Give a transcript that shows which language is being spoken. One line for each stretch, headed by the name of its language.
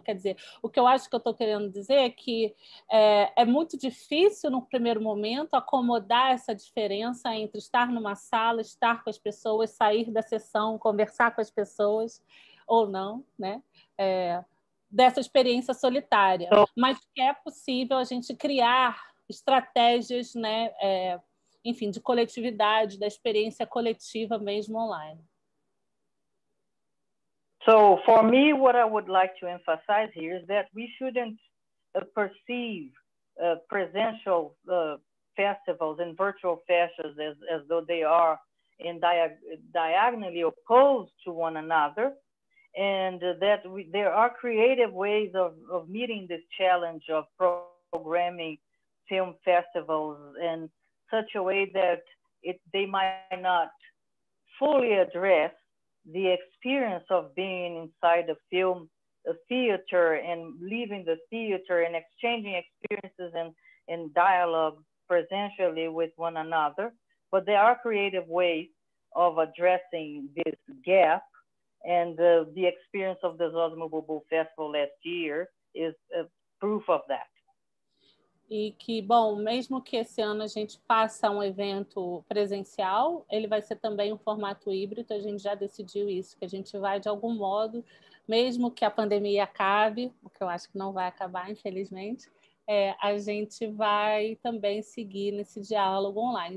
Portuguese: Quer dizer, o que eu acho que eu estou querendo dizer é que é muito difícil, no primeiro momento, acomodar essa diferença entre estar numa sala, estar com as pessoas, sair da sessão, conversar com as pessoas, ou não, né? É, dessa experiência solitária, mas que é possível a gente criar estratégias, né, é, enfim, de coletividade, da experiência coletiva mesmo online.
English: So, for me, what I would like to emphasize here is that we shouldn't perceive presential festivals and virtual festivals as though they are in diagonally opposed to one another, and that we, there are creative ways of meeting this challenge of programming film festivals in such a way that it they might not fully address the experience of being inside a film, a theater, and leaving the theater and exchanging experiences and dialogue presentially with one another. But there are creative ways of addressing this gap. And the experience of the Zozimo Bulbul Festival last year is a proof of that.
Portuguese: E que, bom, mesmo que esse ano a gente faça um evento presencial, ele vai ser também um formato híbrido, a gente já decidiu isso, que a gente vai, de algum modo, mesmo que a pandemia acabe, o que eu acho que não vai acabar, infelizmente, é, a gente vai também seguir nesse diálogo online.